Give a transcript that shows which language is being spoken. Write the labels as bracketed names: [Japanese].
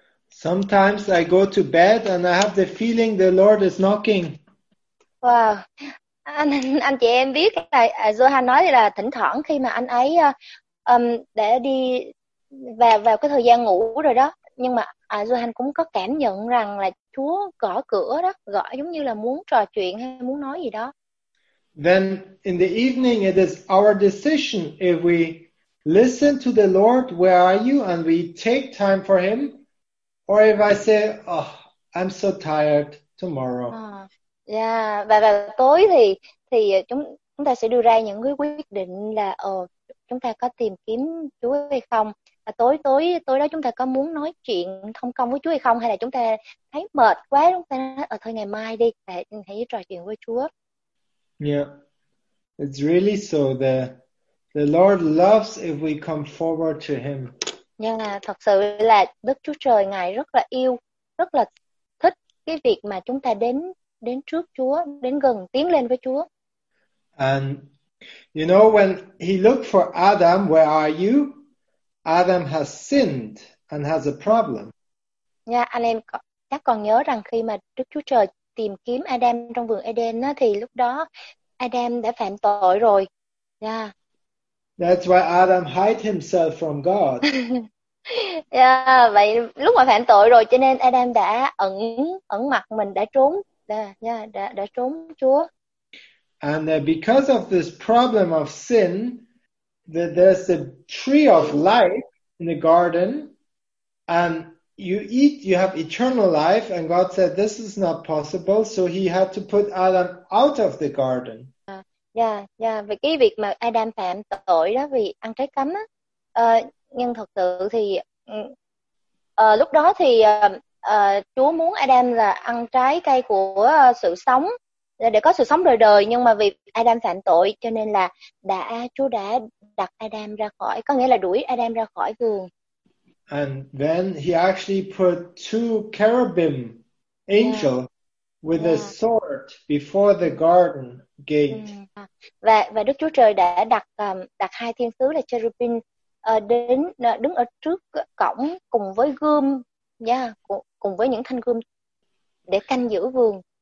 [English] Sometimes I go to bed and I have the feeling the Lord is knocking. Wow. [Vietnamese] Anh chị em biết là Johan nói là thỉnh thoảng khi mà anh ấy để đi vào cái thời gian ngủ rồi đó, nhưng mà Johan cũng có cảm nhận rằng là Chúa gõ cửa đó, gõ giống như là muốn trò chuyện hay muốn nói gì đó. [English] Then in the evening it is our decision if we listen to the Lord, where are you, and we take time for him, or if I say, oh, I'm so tired, tomorrow. [Vietnamese] Yeah, và tối thì chúng ta sẽ đưa ra những cái quyết định là chúng ta có tìm kiếm Chúa hay không, và tối đó chúng ta có muốn nói chuyện thông công với Chúa hay không, hay là chúng ta thấy mệt quá chúng ta nói thôi ngày mai đi để hãy trò chuyện với Chúa. [English] Yeah, it's really so that the Lord loves if we come forward to him. [Vietnamese] Nhưng thật sự là Đức Chúa Trời Ngài rất là yêu, rất là thích cái việc mà chúng ta đến trước Chúa, đến gần, tiến lên với Chúa. [English] And you know, when he looked for Adam, where are you? Adam has sinned and has a problem. [Vietnamese] Nha, anh em chắc còn nhớ rằng khi mà Đức Chúa Trời tìm kiếm Adam trong vườn Eden á, thì lúc đó Adam đã phạm tội rồi. Nha. [English] That's why Adam hid himself from God. [Vietnamese] Yeah, vậy lúc mà phạm tội rồi cho nên Adam đã ẩn mặt mình, đã trốn. Đã trốn Chúa. [English] And because of this problem of sin, there's a tree of life in the garden, and you eat, you have eternal life, and God said this is not possible, so he had to put Adam out of the garden. [Vietnamese] Vì cái việc mà Adam phạm tội đó vì ăn trái cấm á, nhưng thật sự thì lúc đó thì Chúa muốn Adam là ăn trái cây của sự sống để có sự sống đời đời, nhưng mà vì Adam phạm tội cho nên là Chúa đã đặt Adam ra khỏi, có nghĩa là đuổi Adam ra khỏi vườn. [English] And then he actually put two cherubim angel with a sword before the garden gate. [Vietnamese] Và Đức Chúa Trời đã đặt đặt hai thiên sứ là cherubim đứng ở trước cổng cùng với gươm, cùng với những thanh gươm để canh giữ vườn.